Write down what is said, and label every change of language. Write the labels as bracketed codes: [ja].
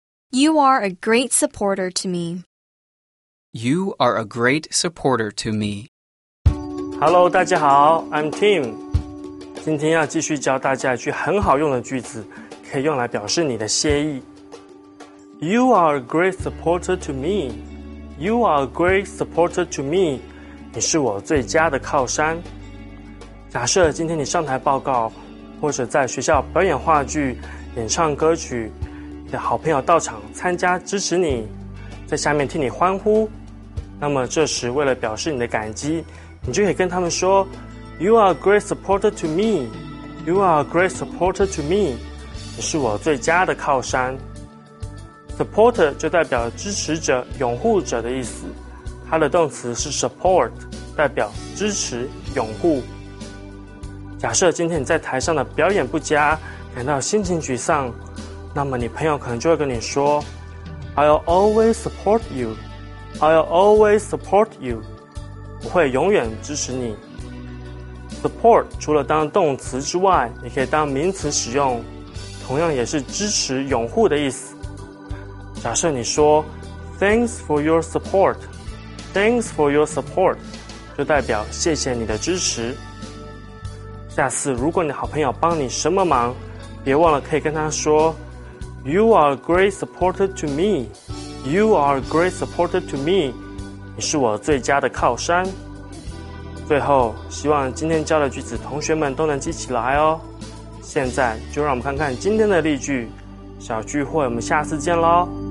[en] You are a great supporter to me. You are a great supporter to me. Hello, [zh] 大家好 [en] I'm Tim. [zh] 今天要继续教大家一句很好用的句子，可以用来表示你的谢意。 [en] You are a great supporter to me. You are a great supporter to me. [zh] 你是我最佳的靠山。假设今天你上台报告或者在学校表演话剧、演唱歌曲，你的好朋友到场参加支持你，在下面替你欢呼，那么这时为了表示你的感激，你就可以跟他们说 [en] You are a great supporter to me. You are a great supporter to me. [zh] 你是我最佳的靠山。 Supporter 就代表支持者、拥护者的意思，它的动词是 support， 代表支持、拥护。假设今天你在台上的表演不佳，感到心情沮丧，那么你朋友可能就会跟你说 [en] I'll always support you. I'll always support you. [zh] 我会永远支持你。 Support 除了当动词之外，也可以当名词使用，同样也是支持、拥护的意思。假设你说 [en] Thanks for your support. Thanks for your support [zh] 就代表谢谢你的支持。下次如果你好朋友帮你什么忙，别忘了可以跟他说 [en] You are a great supporter to me. You are a great supporter to me. [zh] 你是我最佳的靠山。最后希望今天教的句子同学们都能记起来哦。现在就让我们看看今天的例句小聚会，我们下次见咯。